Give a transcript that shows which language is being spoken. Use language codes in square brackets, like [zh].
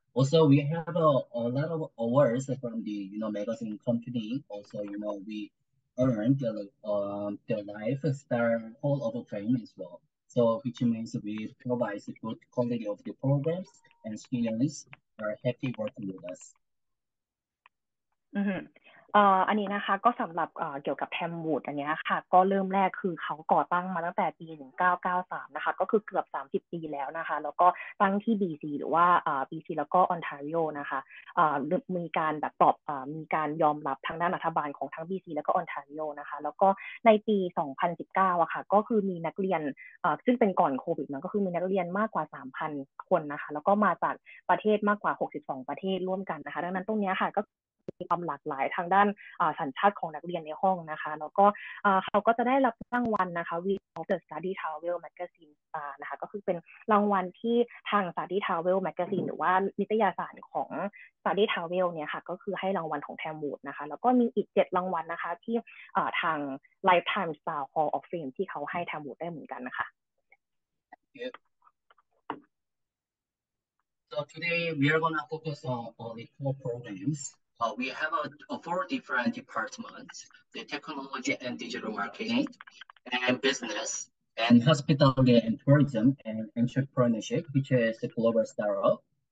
[en] Also, we have a lot of awards from the magazine company. Also, we earned the Lifestar Hall of Fame as well. So, which means we provide good quality of the programs and students are happy working with us. [th] อันนี้นะคะก็สำหรับเกี่ยวกับแทมวูดอันนี้ค่ะก็เริ่มแรกคือเขาก่อตั้งมาตั้งแต่ปี1993นะคะก็คือเกือบ30ปีแล้วนะคะแล้วก็ตั้งที่ BC หรือว่า BC แล้วก็ออนทาริโอนะคะ มีการแบบตอบมีการยอมรับทางด้านรัฐบาลของทั้ง BC แล้วก็ออนทาริโอนะคะแล้วก็ในปี2019อะค่ะก็คือมีนักเรียนซึ่งเป็นก่อนโควิดมันก็คือมีนักเรียนมากกว่า 3,000 คนนะคะแล้วก็มาจากประเทศมากกว่า62ประเทศร่วมกันนะคะดังนั้นตรงนี้ค่ะก็มีความหลากหลายทางด้านสัญชาติของนักเรียนในห้องนะคะแล้วก็ เขาก็จะได้รับรางวัลนะคะ Work&study Travel Magazine Star นะคะก็คือเป็นรางวัลที่ทาง Study Travel Magazine หรือว่านิตยสารของ Study Travel เนี่ยค่ะก็คือให้รางวัลของแทมวูดนะคะแล้วก็มีอีก7รางวัลนะคะที่ทาง Lifetime Star Hall of Fame ที่เขาให้แทมวูดได้เหมือนกันนะคะ [en] So today we are going to focus on all the core programs. We have four different departments, the technology and digital marketing, and business, and hospitality and tourism, and entrepreneurship, which is the global startup.